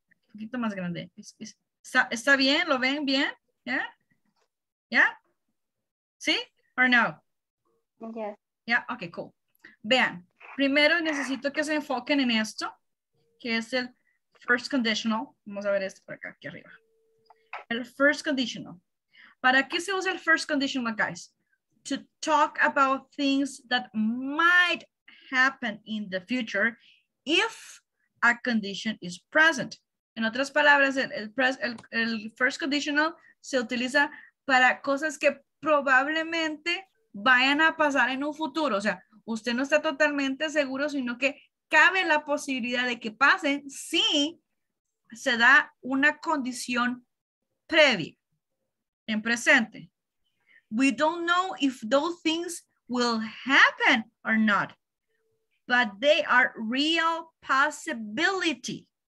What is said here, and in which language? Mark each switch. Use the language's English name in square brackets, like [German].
[Spanish] Un poquito más grande. ¿Está, está bien? ¿Lo ven bien? ¿Ya? ¿Ya? ¿Sí? ¿O no? [English] Yes. [Spanish] ¿Ya? [English] Yeah? Ok, cool. [Spanish] Vean, primero necesito que se enfoquen en esto, que es el first conditional. Vamos a ver esto por acá, aquí arriba. El first conditional. ¿Para qué se usa el first conditional, guys? [English] To talk about things that might happen in the future if a condition is present. [Spanish] En otras palabras, el first conditional se utiliza para cosas que probablemente vayan a pasar en un futuro. O sea, usted no está totalmente seguro, sino que cabe la posibilidad de que pasen si se da una condición previa, en presente. [English] We don't know if those things will happen or not, but they are real possibility.